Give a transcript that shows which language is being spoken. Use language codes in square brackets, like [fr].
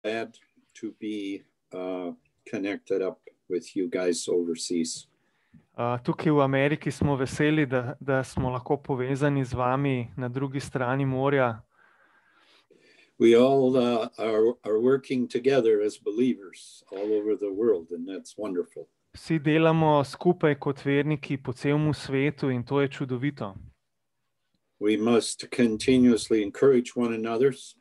[en] Glad to be connected up with you guys overseas. [sl] Tukaj v Ameriki smo veseli, da smo lahko povezani z vami na drugi strani morja. [en] We all are working together as believers all over the world, and that's wonderful. [sl] Vsi delamo skupaj kot verniki po celemu svetu in to je čudovito. [en] We must continuously encourage one another.